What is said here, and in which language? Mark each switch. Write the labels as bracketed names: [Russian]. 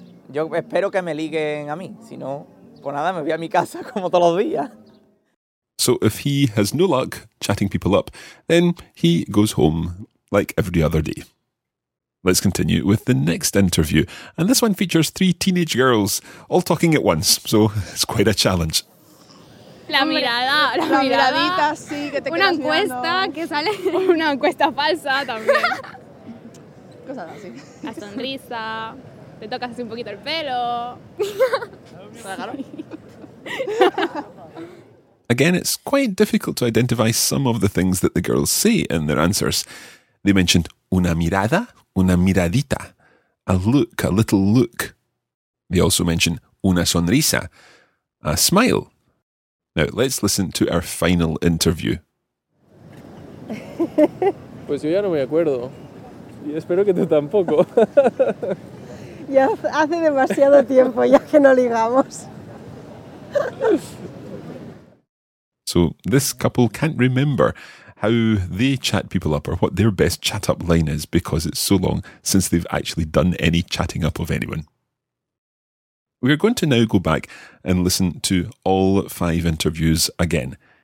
[Spanish] Yo espero que me liguen a mí, si no, pues nada, me voy a mi casa como todos los días. [English] So if he has no luck chatting people up, then he goes home like every other day. Let's continue with the next interview. And this one features three teenage girls all talking at once, so it's quite a challenge. [Spanish] La miradita, sí, que te una encuesta mirando. Que sale... Una encuesta falsa también. Cosas así. La sonrisa... Te tocas así un poquito el pelo. [English] Again, it's quite difficult to identify some of the things that the girls say in their answers. They mentioned [Spanish] una mirada, una miradita. [English] A look, a little look. They also mentioned [Spanish] una sonrisa, [English] a smile. Now, let's listen to our final interview. [Spanish] Pues yo ya no me acuerdo. Y espero que tú tampoco. Ya hace demasiado tiempo ya que no ligamos. [English] So this couple can't remember how they chat people up or what their best chat-up line is because it's so long since they've actually done any chatting up of anyone. We're going to now go back and listen to all five interviews again.